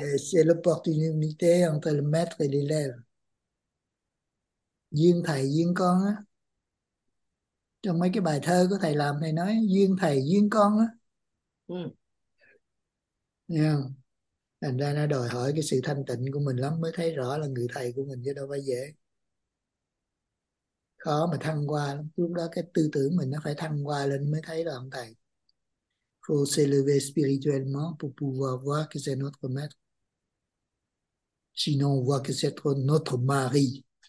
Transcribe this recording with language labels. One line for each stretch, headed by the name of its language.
French: C'est l'opportunité entre le maître et l'élève.
Vietnamese: Duyên thầy duyên con á, trong mấy cái bài thơ của thầy làm thầy nói duyên thầy duyên con á. Yeah. Thành ra nó đòi hỏi cái sự thanh tịnh của mình lắm mới thấy rõ là người thầy của mình chứ đâu phải dễ, khó mà thăng hoa lắm. Lúc đó cái tư tưởng mình nó phải thăng hoa lên mới thấy là ông thầy.
French: Faut s'élever spirituellement pour pouvoir voir que c'est notre maître. Sinon, on voit que c'est notre mari.